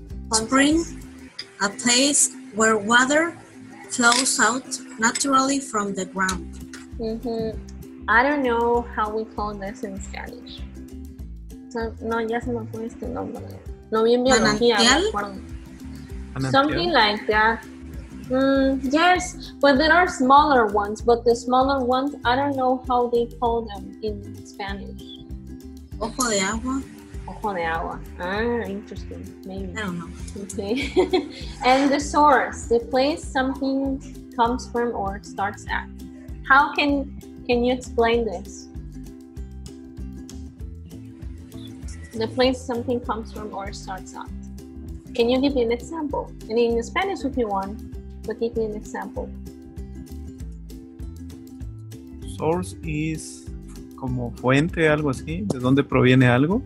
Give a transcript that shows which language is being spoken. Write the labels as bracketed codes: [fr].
[en] Spring, a place where water flows out naturally from the ground. Mm-hmm. I don't know how we call this in Spanish. [es] So, no, ya se me fue este nombre. No vi en biología. [en] Something like that. Yes, but there are smaller ones. But the smaller ones, I don't know how they call them in Spanish. [es] Ojo de agua. Ojo de agua. [en] Interesting. Maybe. I don't know. Okay. And the source, the place something comes from or starts at. How can you explain this? The place something comes from or starts at. Can you give me an example? And in Spanish if you want, but give me an example. [es] Source is como fuente, algo así, de dónde proviene algo.